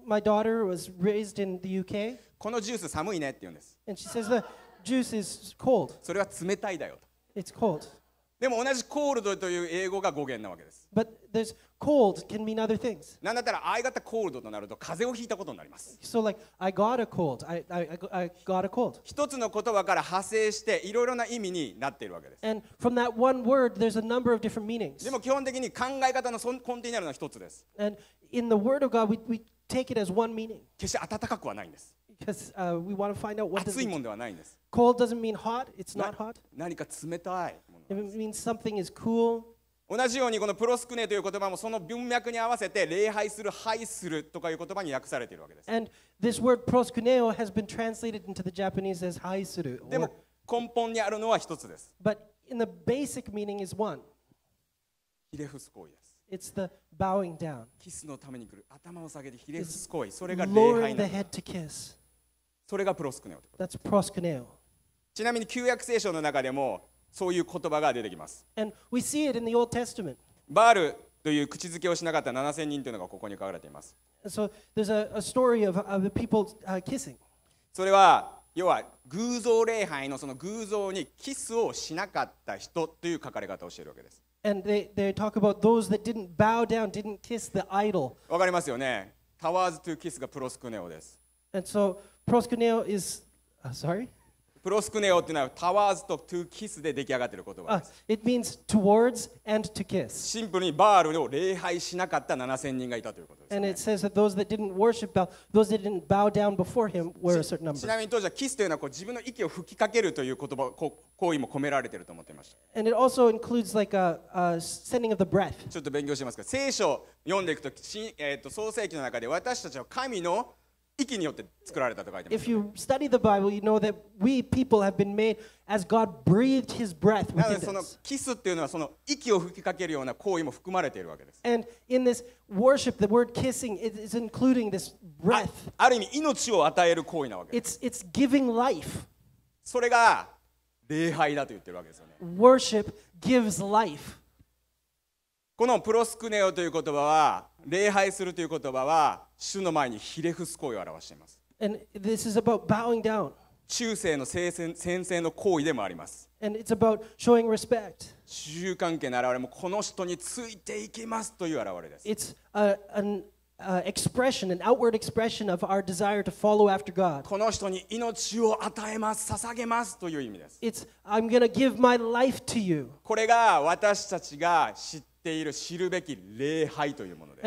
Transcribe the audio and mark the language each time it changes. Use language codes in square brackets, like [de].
[en] My daughter was raised in the UK. [ja] このジュース寒いねって言うんです。 [en] And she says the juice is cold. [ja] それは冷たいだよと。 [en] It's cold. [ja] でも同じコールドという英語が語源なわけです。 [en] But there's cold can mean other things. [ja] なんだったら [en] I got a cold [ja] となると風邪をひいたことになります。 [en] So like I got a cold. I got a cold. [ja] 一つの言葉から派生していろいろな意味になっているわけです。 [en] And from that one word, there's a number of different meanings. [ja] でも基本的に考え方の根底にあるのは一つです。 [en] And in the word of God, we take it as one meaning. [ja] 決して暖かくはないんです。 [en] Because we want to find out what does it mean. [ja] 熱いものではないんです。 [en] Cold doesn't mean hot. It's not hot. [ja] 何か冷たいものです。 [en] It means something is cool. [ja] 同じようにこのプロスクネという言葉もその文脈に合わせて礼拝する、拝するとかいう言葉に訳されているわけです。 [en] And this word proskuneo has been translated into the Japanese as 拝する。 [ja] でも根本にあるのは一つです。 [en] But in the basic meaning is one. [ja] ひれ伏す行為です。 [en] It's the bowing down. [ja] キスのために来る、頭を下げてひれ伏す行為、それが礼拝なんです。 [en] Lowering the head to kiss. [ja] それがプロスクネオということです。 [en] That's proskuneo. [ja] ちなみに旧約聖書の中でも。そういう言葉が出てきます。 [en] And we see it in the Old Testament. [ja] バールという口づけをしなかった7000人というのがここに書かれています。 [en] So there's a story of the people kissing. [ja] それは要は偶像礼拝のその偶像にキスをしなかった人という書かれ方をしているわけです。 [en] And they talk about those that didn't bow down, didn't kiss the idol. [ja] わかりますよね。 [en] Towers to kiss [ja] がプロスクネオです。 [en] And so proskuneo is sorry. [ja] プロスクネオというのはタワーズとトゥーキスで出来上がっている言葉です。 [en] It means towards and to kiss. [ja] シンプルにバールを礼拝しなかった7000人がいたということです、ね。 [en] And it says that those that didn't worship Baal, those that didn't bow down before him were a certain number. [ja] ちなみに当時はキスというのはこう自分の息を吹きかけるという言葉、行為も込められていると思っていました。 [en] And it also includes like a sending of the breath. [ja] ちょっと勉強してみますか。聖書を読んでいくと、創世記の中で私たちは神の息によって作られたと書いてます。 [en] If you study the Bible, you know that we people have been made as God breathed His breath within us. [ja] なのでそのキスっていうのはその息を吹きかけるような行為も含まれているわけです。 [en] And in this worship, the word kissing is including this breath. [ja] ある意味命を与える行為なわけです。 [en] It's giving life. [ja] それが礼拝だと言ってるわけですよね。 [en] Worship gives life. [ja] このプロスクネオという言葉は礼拝するという言葉は主の前にひれ伏す行為を表しています。 [en] And this is about bowing down. [ja] 忠誠の宣誓の行為でもあります。 [en] And it's about showing respect. [ja] 主従関係の表れもこの人についていきますという表れです。 [en] It's an expression, an outward expression of our desire to follow after God. [ja] この人に命を与えます、捧げますという意味です。 [en] It's I'm going to give my life to you. [ja] これが私たちが知っている知るべき礼拝というものです。